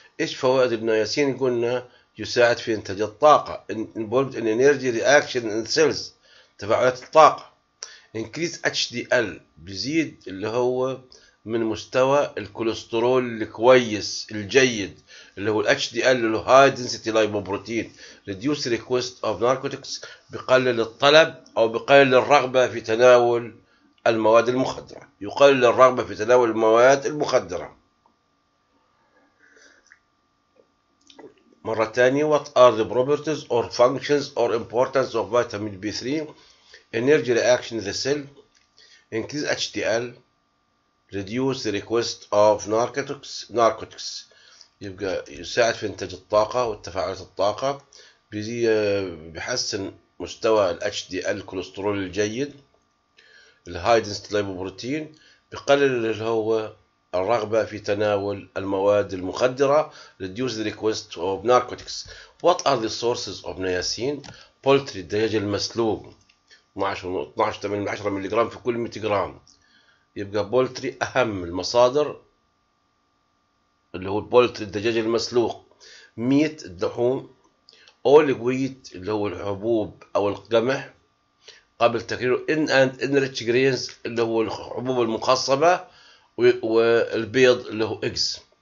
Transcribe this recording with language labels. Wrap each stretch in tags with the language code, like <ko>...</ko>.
<ar>ايش فوائد النياسين؟ قلنا يساعد في انتاج الطاقه،</ar> <en>involved in energy reaction in cells,</en> <ar>تفاعلات الطاقه،</ar> <en>increase H D L,</en> <ar>بيزيد اللي هو من مستوى الكوليسترول الكويس الجيد اللي هو الاتش دي ال اللي هو</ar> <en>high density lipoprotein, reduce request of narcotics,</en> <ar>بيقلل الطلب او بيقلل الرغبه في تناول المواد المخدره، يقلل الرغبه في تناول المواد المخدره.</ar> <en>مرة ثانية what are the properties or functions or importance of vitamin B3؟ energy reaction in the cell، increase HDL، reduce the request of narcotics، narcotics</en> <ar>يبقى يساعد في انتاج الطاقة والتفاعلات الطاقة، بيحسن مستوى ال HDL الكوليسترول الجيد، ال high density lipoprotein، بيقلل اللي هو الرغبة في تناول المواد المخدرة،</ar> <en>reduce the request of narcotics. What are the sources of niacin؟</en> <ar>poultry الدجاج المسلوق 12.8 مليغرام في كل 100 جرام، يبقى poultry أهم المصادر اللي هو poultry الدجاج المسلوق، meat اللحوم، all wheat اللي هو الحبوب أو القمح قبل تكريره،</ar> <en>in and enrich grains</en> <ar>اللي هو الحبوب المخصبة، والبيض اللي هو اكس.</ar>